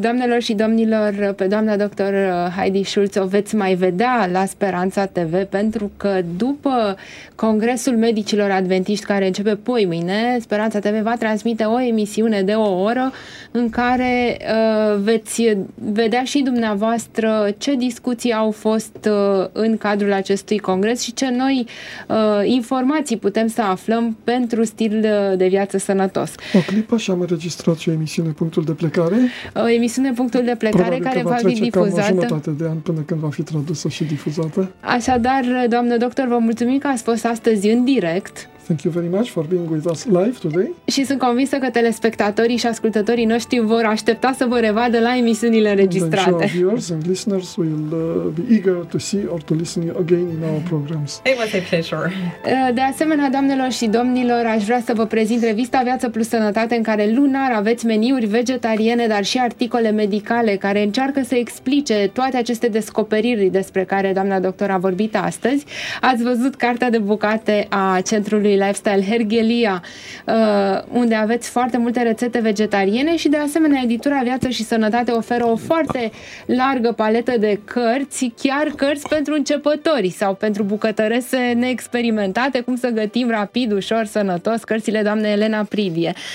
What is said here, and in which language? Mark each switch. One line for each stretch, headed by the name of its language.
Romanian: Doamnelor și domnilor, pe doamna doctor Heidi Schulz o veți mai vedea la Speranța TV, pentru că după Congresul Medicilor Adventiști, care începe poi mâine, Speranța TV va transmite o emisiune de o oră în care veți vedea și dumneavoastră ce discuții au fost în cadrul acestui congres și ce noi informații putem să aflăm pentru stil de viață sănătos. O clipă și am înregistrat ce emisiune Punctul de Plecare. O emisiune Punctul de Plecare care va fi difuzată. Probabil că va trece cam o jumătate de an până când va fi tradusă și difuzată. Așadar, doamnă doctor, vă mulțumim că ați fost astăzi în direct.
English: Thank you very much for being with us live today.
Romanian: Și sunt convinsă că telespectatorii și ascultătorii noștri vor aștepta să vă revadă la emisiunile înregistrate.
English: And sure, viewers and listeners will be eager to see or to listen again in our programs. It was a pleasure.
Romanian: De asemenea, doamnelor și domnilor, aș vrea să vă prezint revista Viață Plus Sănătate, în care lunar aveți meniuri vegetariene, dar și articole medicale care încearcă să explice toate aceste descoperiri despre care doamna doctor a vorbit astăzi. Ați văzut cartea de bucate a Centrului Lifestyle Hergelia, unde aveți foarte multe rețete vegetariene, și de asemenea editura Viață și Sănătate oferă o foarte largă paletă de cărți, chiar cărți pentru începători sau pentru bucătărese neexperimentate, cum să gătim rapid, ușor, sănătos, cărțile doamnei Elena Pridie.